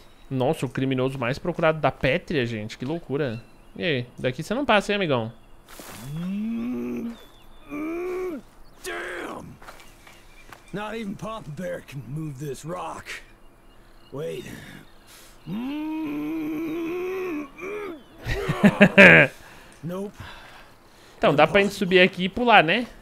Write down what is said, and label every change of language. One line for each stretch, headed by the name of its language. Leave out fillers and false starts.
Portuguese: Nossa, o criminoso mais procurado da Petria, gente. Que loucura. E aí, daqui você não passa, hein, amigão?
English: Damn! Not even Papa Bear can move this rock. Wait.
Portuguese: Então, dá pra gente subir aqui e pular, né?